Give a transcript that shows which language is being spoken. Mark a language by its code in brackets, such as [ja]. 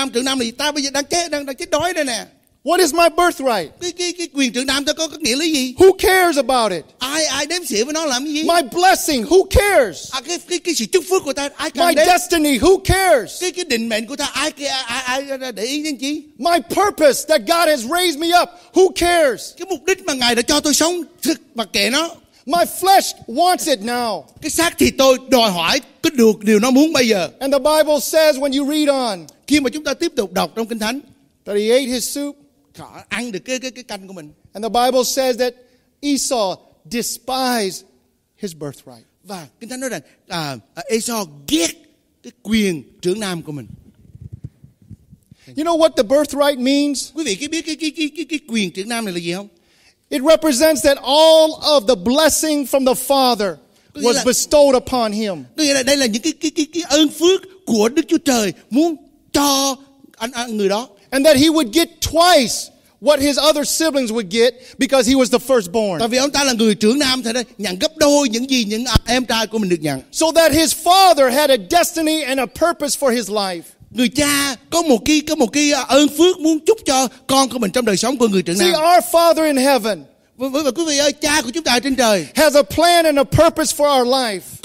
[vi] cái quyền trưởng nam này ta bây giờ đang chết đói đây nè. [en] What is my birthright? [vi] Cái quyền trưởng nam tôi có nghĩa là gì? [en] Who cares about it? [vi] Ai đếm xỉa với nó làm gì? [en] My blessing, who cares? [vi] Cái sự chúc phước của ta, ai cần? [en] My destiny, who cares? [vi] Cái định mệnh của ta, ai để ý đến chi? [en] My purpose that God has raised me up, who cares? [vi] Cái mục đích mà Ngài đã cho tôi sống, thực mà kệ nó. [en] My flesh wants it now. [vi] Cái xác thì tôi đòi hỏi cứ được điều nó muốn bây giờ. [en] And the Bible says when you read on. [vi] Khi mà chúng ta tiếp tục đọc trong Kinh Thánh. [en] That he ate his soup. [vi] Ăn được cái canh của mình. [en] And the Bible says that Esau despised his birthright. [vi] Và Kinh Thánh nói rằng Esau ghét cái quyền trưởng nam của mình. [en] You know what the birthright means? [vi] Quý vị có biết cái quyền trưởng nam này là gì không? [en] It represents that all of the blessing from the Father was bestowed upon him. [vi] Đây là những cái ơn phước của Đức Chúa Trời muốn cho người đó. [en] And that he would get twice what his other siblings would get because he was the firstborn. [vi] Tại vì ông ta là người trưởng nam thì nhận gấp đôi những gì những em trai của mình được nhận. [en] So that his father had a destiny and a purpose for his life. [vi] Người cha có một cái ơn phước muốn chúc cho con của mình trong đời sống của người trưởng nam. [en] See, our Father in heaven. [vi] Và quý vị ơi, cha của chúng ta trên trời [en] has a plan and a purpose for our life.